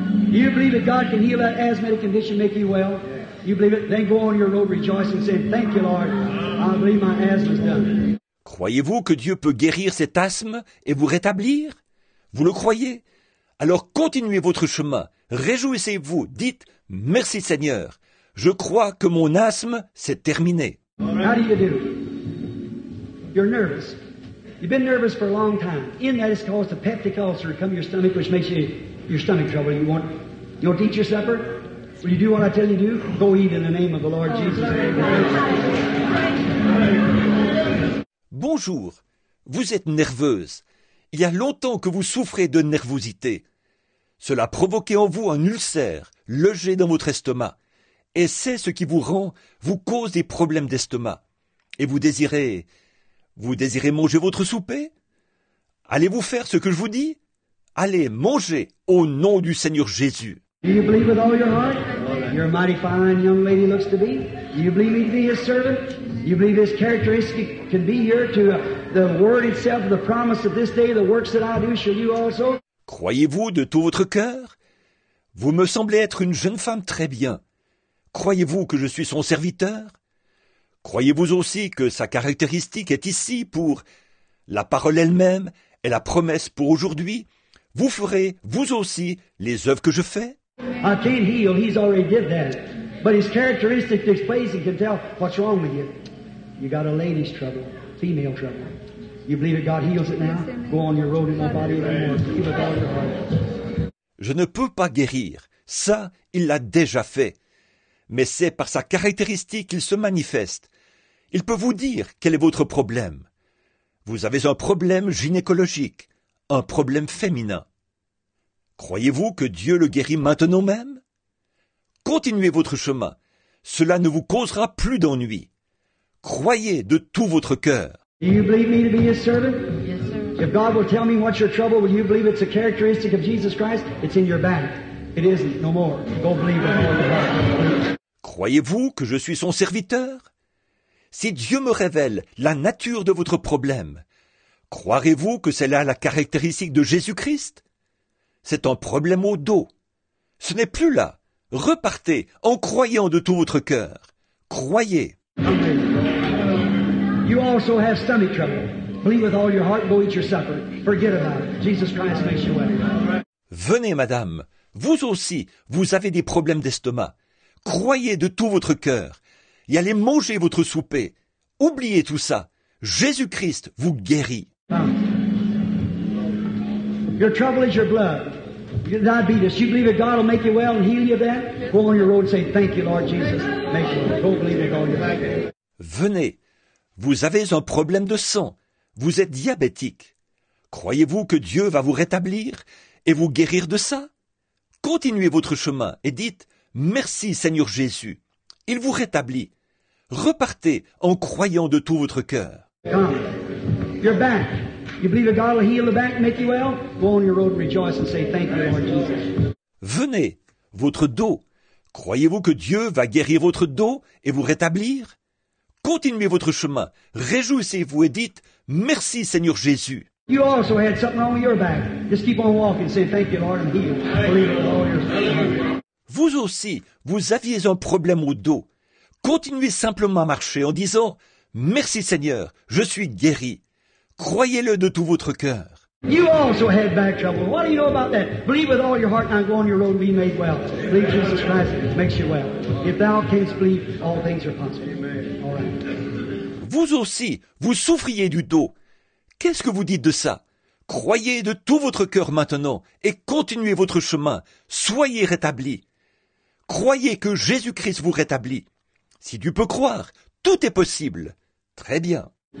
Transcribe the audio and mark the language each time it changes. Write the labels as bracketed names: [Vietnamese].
[English] You believe that God can heal that asthmatic condition, make you well? You believe it? Then go on your road rejoicing and say, thank you, Lord. I believe my asthma is done. [French] Croyez-vous que Dieu peut guérir cet asthme et vous rétablir? Vous le croyez? Alors continuez votre chemin, réjouissez-vous, dites « Merci Seigneur, je crois que mon asthme s'est terminé. » [English] How do you do? You're nervous. You've been nervous for a long time. In that it's caused a peptic ulcer to come to your stomach, which makes your stomach trouble. You won't eat your supper? Will you do what I tell you to do? Go eat in the name of the Lord Jesus. [French] Bonjour, vous êtes nerveuse. Il y a longtemps que vous souffrez de nervosité. Cela a provoqué en vous un ulcère logé dans votre estomac. Et c'est ce qui vous cause des problèmes d'estomac. Et vous désirez manger votre souper? Allez-vous faire ce que je vous dis? Allez, mangez au nom du Seigneur Jésus. [English] Do you believe with all your heart? You're a mighty fine young lady looks to be. Do you believe me to be his servant? You believe his characteristic can be here to the word itself, the promise of this day, the works that I do, shall you also? [French] Croyez-vous de tout votre cœur? Vous me semblez être une jeune femme très bien. Croyez-vous que je suis son serviteur? Croyez-vous aussi que sa caractéristique est ici pour la parole elle-même et la promesse pour aujourd'hui? Vous ferez, vous aussi, les œuvres que je fais? [English] I can't heal, he's already did that. But his characteristic displays and can tell what's wrong with you. You got a lady's trouble, female trouble. You believe that God heals it now? Go on your road in my body anymore. Keep it all your heart. [French] Je ne peux pas guérir. Ça, il l'a déjà fait. Mais c'est par sa caractéristique qu'il se manifeste. Il peut vous dire quel est votre problème. Vous avez un problème gynécologique, un problème féminin. Croyez-vous que Dieu le guérit maintenant même? Continuez votre chemin. Cela ne vous causera plus d'ennui. Croyez de tout votre cœur. [English] Do you believe me to be his servant? Yes, sir. If God will tell me what's your trouble, will you believe it's a characteristic of Jesus Christ? It's in your back. It isn't, no more. Go believe it. [French] Croyez-vous que je suis son serviteur? Si Dieu me révèle la nature de votre problème, croirez-vous que c'est là la caractéristique de Jésus-Christ? C'est un problème au dos. Ce n'est plus là. Repartez en croyant de tout votre cœur. Croyez. [English] You also have stomach trouble. Believe with all your heart, go eat your supper. Forget about it. Jesus Christ makes you well. [French] Venez, madame. Vous aussi, vous avez des problèmes d'estomac. Croyez de tout votre cœur. Et allez manger votre souper. Oubliez tout ça. Jésus-Christ vous guérit. [English] Your trouble is your blood. Your diabetes. You believe that God will make you well and heal you of that? Go on your road and say, thank you, Lord Jesus. Make you well. Don't believe it, go on your back. [French] Venez. Vous avez un problème de sang. Vous êtes diabétique. Croyez-vous que Dieu va vous rétablir et vous guérir de ça? Continuez votre chemin et dites « Merci Seigneur Jésus ». Il vous rétablit. Repartez en croyant de tout votre cœur. [English] Your back. You believe that God will heal the back and make you well? Go on your road and rejoice and say, thank you, Lord Jesus. [French] Venez, votre dos. Croyez-vous que Dieu va guérir votre dos et vous rétablir? Continuez votre chemin. Réjouissez-vous et dites, merci, Seigneur Jésus. [English] You also had something wrong with your back. Just keep on walking. Say, thank you, Lord, and heal. Believe it, Lord. [French] Vous aussi, vous aviez un problème au dos. Continuez simplement à marcher en disant, « Merci Seigneur, je suis guéri. » Croyez-le de tout votre cœur. [English] You also had back trouble. What do you know about that? Believe with all your heart and go on your road and be made well. Believe Jesus Christ makes you well. If thou canst believe, all things are possible. Amen. All right. [French] Vous aussi, vous souffriez du dos. Qu'est-ce que vous dites de ça? Croyez de tout votre cœur maintenant et continuez votre chemin. Soyez rétabli. Croyez que Jésus-Christ vous rétablit. Si tu peux croire, tout est possible. Très bien.